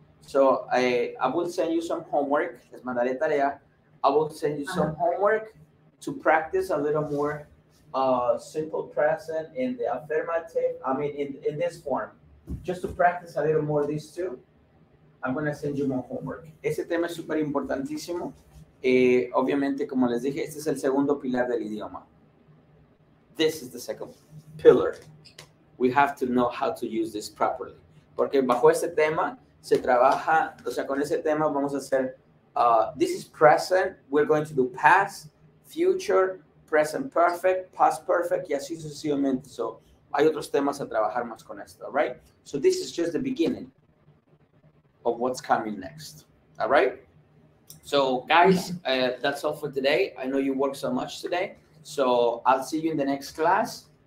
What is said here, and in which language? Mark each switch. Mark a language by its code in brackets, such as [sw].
[en] So I will send you some homework. [es] Les mandaré tarea. [en] I will send you some homework to practice a little more simple present in the affirmative, in this form. Just to practice a little more these two, I'm going to send you more homework. [es] Ese tema es súper importantísimo. Obviamente, como les dije, este es el segundo pilar del idioma. [en] This is the second pillar. We have to know how to use this properly. [es] Porque bajo ese tema se trabaja, o sea, con ese tema vamos a hacer, [en] this is present, we're going to do past, future, present perfect, past perfect, [es] y así sucesivamente. So, hay otros temas a trabajar más con esto, [en] all right? So, this is just the beginning of what's coming next, all right? So, guys, that's all for today. I know you work so much today. So, I'll see you in the next class.